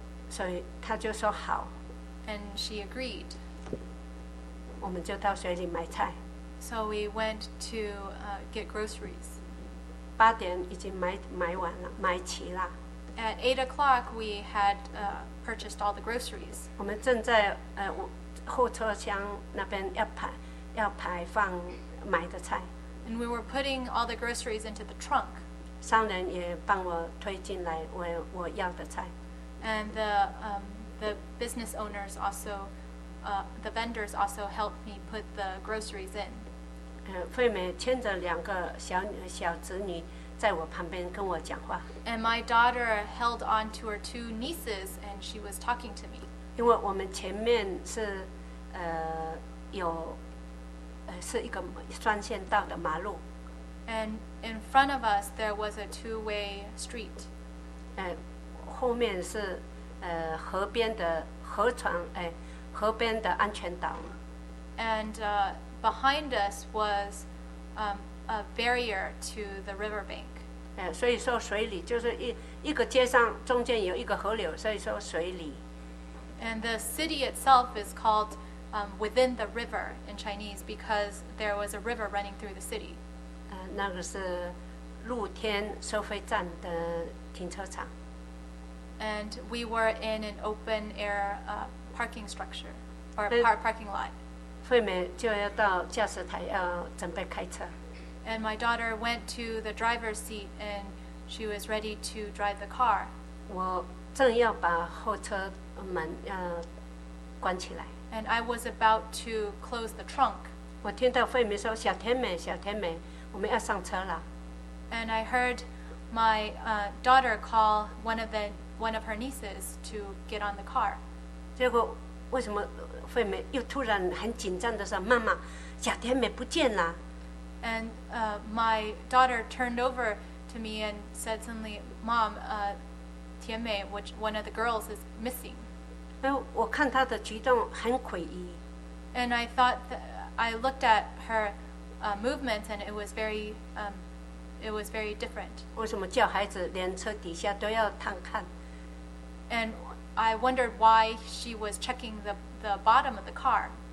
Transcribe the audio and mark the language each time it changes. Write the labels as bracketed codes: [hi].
[zh] 所以她就说好。 [en] And she agreed. [zh] 我们就到水里买菜。 [en] So we went to get groceries. [zh] 8点已经买完了，买齐了。 [en] At 8 o'clock, we had purchased all the groceries. [zh] 我们正在后车厢那边要排放买的菜。 [en] And we were putting all the groceries into the trunk. [zh] 商人也帮我推进来我要的菜。 [en] And the business owners also, the vendors also helped me put the groceries in. [zh] 惠美牵着两个小子女在我旁边跟我讲话。 [en] And my daughter held on to her two nieces, and she was talking to me. [zh] 因为我们前面是有是一个双线道的马路。 [en] And in front of us, there was a two-way street. [zh] 后面是河边的河床，河边的安全岛。 [en] And behind us was a barrier to the river bank. [zh] 所以说水里就是一个街上中间有一个河流，所以说水里。 [en] And the city itself is called within the river in Chinese because there was a river running through the city. [zh] 那个是露天收费站的停车场。 [en] And we were in an open air parking structure or parking lot. [zh] 惠美就要到驾驶台要准备开车。 [en] And my daughter went to the driver's seat and she was ready to drive the car. [zh] 我正要把后车门关起来。 [en] And I was about to close the trunk. [zh] 我听到惠美说：“小甜美，小甜美，我们要上车了。” [en] And I heard my daughter call one of her nieces to get on the car. [zh] 结果为什么惠美又突然很紧张的说：“妈妈，小甜美不见了。” [en] And my daughter turned over to me and said suddenly, "Mom, Tian Mei, which one of the girls is missing?" [zh] 我看她的举动很诡异。 [en] And I thought I looked at her movements, and it was very. It was very different. [zh] 为什么叫孩子连车底下都要探看？ [en] And I wondered why she was checking the bottom of the car.